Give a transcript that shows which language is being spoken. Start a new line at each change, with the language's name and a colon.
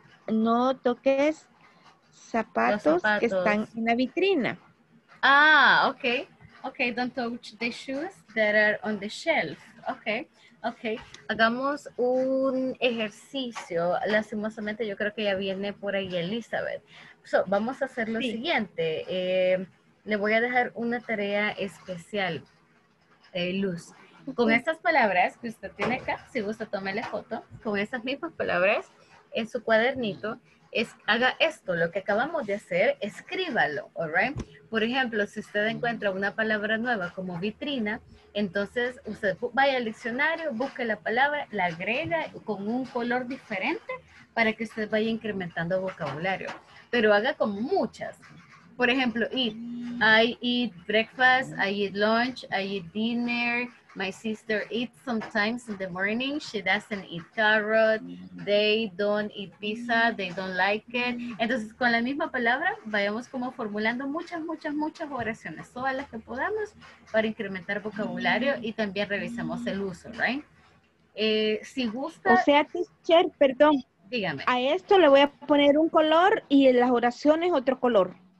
Spanish: No toques zapatos que están en la vitrina.
English: Ah, okay. Okay, don't touch the shoes that are on the shelf.
Spanish: Okay. Hagamos un ejercicio. Lastimosamente, yo creo que ya viene por ahí Elizabeth. So, vamos a hacer lo siguiente. Le voy a dejar una tarea especial, Luz. Con estas palabras que usted tiene acá, si gusta, tome la foto. Con estas mismas palabras en su cuadernito, haga esto, lo que acabamos de hacer, escríbalo, all right? Por ejemplo, si usted encuentra una palabra nueva como vitrina, entonces usted vaya al diccionario, busque la palabra, la agrega con un color diferente para que usted vaya incrementando vocabulario. Pero haga como muchas. Por ejemplo,
English: I eat breakfast, I eat lunch, I eat dinner, my sister eats sometimes in the morning, she doesn't eat carrot, they don't eat pizza, they don't like it.
Spanish: Entonces, con la misma palabra, vayamos como formulando muchas oraciones, todas las que podamos para incrementar vocabulario y también revisemos el uso, right? Si gusta... O sea, teacher, perdón. Dígame. A esto le voy a poner un color y en las oraciones otro color.